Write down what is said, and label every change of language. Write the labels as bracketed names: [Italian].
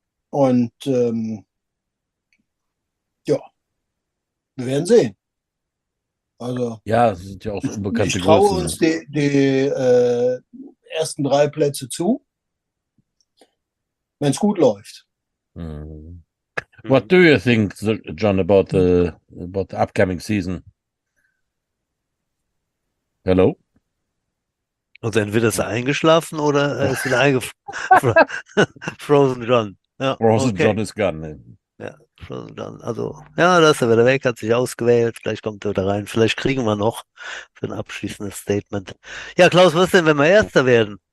[German] Und ja, wir werden sehen. Also Ja, es sind ja auch so ich unbekannte traue Größen. uns die ersten drei Plätze zu, wenn es gut läuft. [English] What do you think, John, about the upcoming season? Hello? [German] Also entweder ist er eingeschlafen oder ist wieder Frozen John. Ja, [English] Frozen [German] okay. [English] John is gone. [German] Ja, Frozen John. Also, ja, da ist er wieder weg, hat sich ausgewählt. Vielleicht kommt er wieder rein. Vielleicht kriegen wir noch für ein abschließendes Statement. Ja, Klaus, was denn, wenn wir Erster werden?